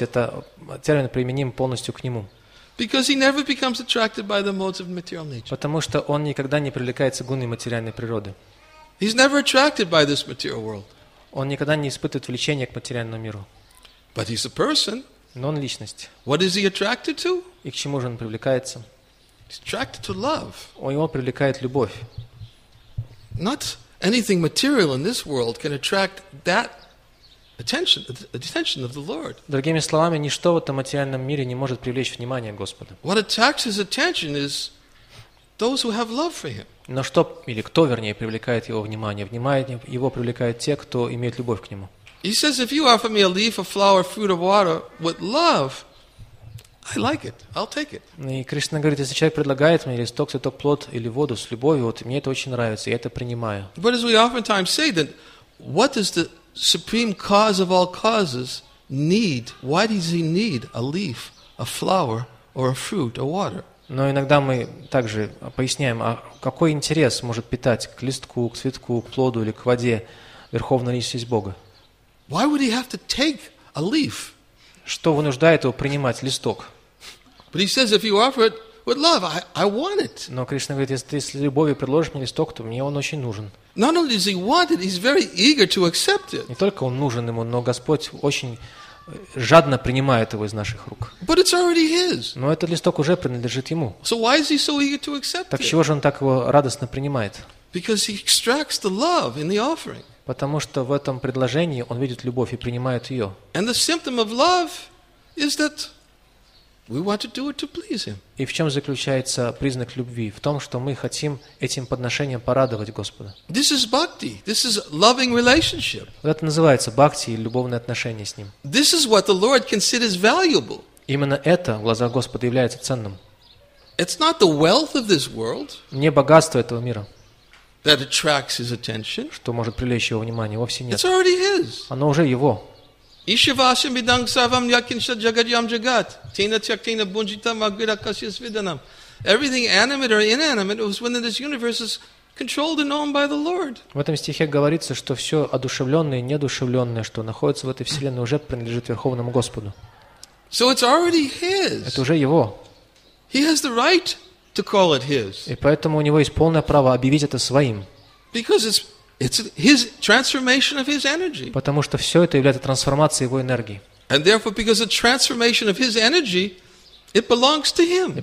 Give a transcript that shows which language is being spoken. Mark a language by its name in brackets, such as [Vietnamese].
[Russian] Это термин применим полностью к нему. [English] Because he never becomes attracted by the modes of material nature. [Russian] Потому что он никогда не привлекается гуной материальной природы. [English] He's never attracted by this material world. [Russian] Он никогда не испытывает влечения к материальному миру. [English] But he's a person. [Russian] Но он личность. [English] What is he attracted to? [Russian] И к чему же он привлекается? [English] He's attracted to love. [Russian] Его привлекает любовь. [English] Not anything material in this world can attract that attention, the attention of the Lord. [Russian] Другими словами, ничто в этом материальном мире не может привлечь внимание Господа. [English] What attracts his attention is those who have love for him. [Russian] Но что, или кто, вернее, привлекает его внимание? Внимание его привлекают те, кто имеет любовь к нему. [English] He says, if you offer me a leaf, a flower, fruit, or water with love, I like it. I'll take it. [Russian] И Кришна говорит, если человек предлагает мне листок, цветок, плод или воду с любовью, вот мне это очень нравится, я это принимаю. [English] But as we oftentimes say, then, what is the supreme cause of all causes need? Why does he need a leaf, a flower, or a fruit, or water? [Russian] Но иногда мы также поясняем, а какой интерес может питать к листку, к цветку, к плоду или к воде верховная личность Бога? [English] Why would he have to take a leaf? [Russian] Что вынуждает его принимать листок? [English] But he says, if you offer it with love, I want it. [Russian] Но Кришна говорит, если ты с любовью предложишь мне листок, то мне он очень нужен. [English] Not only does he want it, he's very eager to accept it. [Russian] Не только он нужен ему, но Господь очень жадно принимает его из наших рук. [English] But it's already his. [Russian] Но этот листок уже принадлежит ему. [English] So why is he so eager to accept it? [Russian] Так чего же он так его радостно принимает? [English] Because he extracts the love in the offering. [Russian] Потому что в этом предложении он видит любовь и принимает ее. [English] And the symptom of love is that we want to do it to please him. [Russian] И в чем заключается признак любви? В том, что мы хотим этим подношением порадовать Господа. [English] This is bhakti. This is loving relationship. [Russian] Это называется бхакти, любовные отношения с ним. [English] This is what the Lord considers valuable. [Russian] Именно это в глазах Господа является ценным. [English] It's not the wealth of this world. [Russian] Не богатство этого мира. [English] That attracts his attention. [Russian] Что может привлечь его внимание? Вовсе нет. [English] It's already his. [Russian] Оно уже его. [Sanskrit] Ишивасим бидаң савам якинша джагадьям джагат. Тина тяктина бунжита магвира касья свиданам. [English] Everything animate or inanimate was within this universe is controlled and owned by the Lord. [Russian] В этом стихе говорится, что все одушевленное и неодушевленное, что находится в этой вселенной, уже принадлежит Верховному Господу. [English] So it's already his. [Russian] Это уже его. [English] He has the right to call it his. [Russian] И поэтому у него есть полное право объявить это своим. [English] Because it's his transformation of his energy. [Russian] Потому что все это является трансформацией его энергии. [English] And therefore, because the transformation of his energy, it belongs to him.